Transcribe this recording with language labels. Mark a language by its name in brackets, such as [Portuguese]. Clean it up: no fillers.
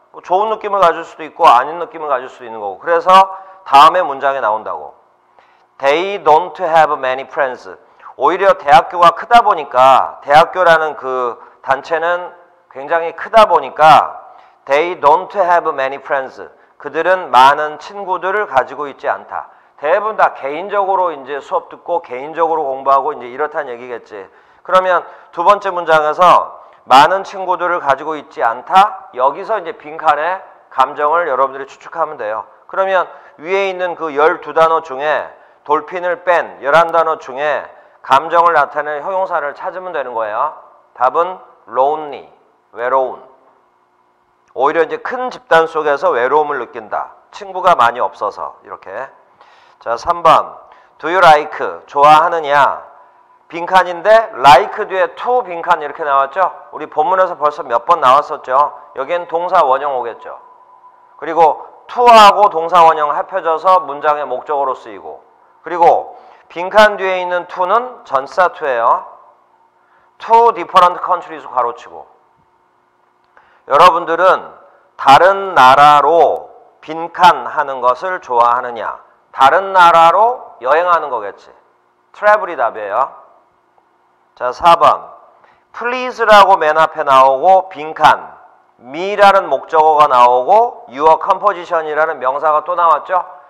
[Korean] 좋은 느낌을 가질 수도 있고 아닌 느낌을 가질 수도 있는 거고. 그래서 다음에 문장에 나온다고. [English] They don't have many friends. [Korean] 오히려 대학교가 크다 보니까, 대학교라는 그 단체는 굉장히 크다 보니까 [English] They don't have many friends. [Korean] 그들은 많은 친구들을 가지고 있지 않다. 대부분 다 개인적으로 이제 수업 듣고 개인적으로 공부하고 이제 이렇다는 얘기겠지. 그러면 두 번째 문장에서 많은 친구들을 가지고 있지 않다? 여기서 이제 빈칸의 감정을 여러분들이 추측하면 돼요. 그러면 위에 있는 그 12단어 중에 돌핀을 뺀 11단어 중에 감정을 나타내는 형용사를 찾으면 되는 거예요. 답은 lonely, 외로운. 오히려 이제 큰 집단 속에서 외로움을 느낀다. 친구가 많이 없어서 이렇게. 자, 3번. [English] Do you like, [Korean] 좋아하느냐? 빈칸인데 like 뒤에 to 빈칸 이렇게 나왔죠? 우리 본문에서 벌써 몇 번 나왔었죠? 여기엔 동사 원형 오겠죠? 그리고 to하고 동사 원형 합혀져서 문장의 목적으로 쓰이고, 그리고 빈칸 뒤에 있는 to는 전사 to예요. [English] To different countries [Korean] 가로치고. 여러분들은 다른 나라로 빈칸하는 것을 좋아하느냐? 다른 나라로 여행하는 거겠지. 트래블이 답이에요. 자, 4번. Please라고 맨 앞에 나오고 빈칸, me라는 목적어가 나오고 your composition이라는 명사가 또 나왔죠.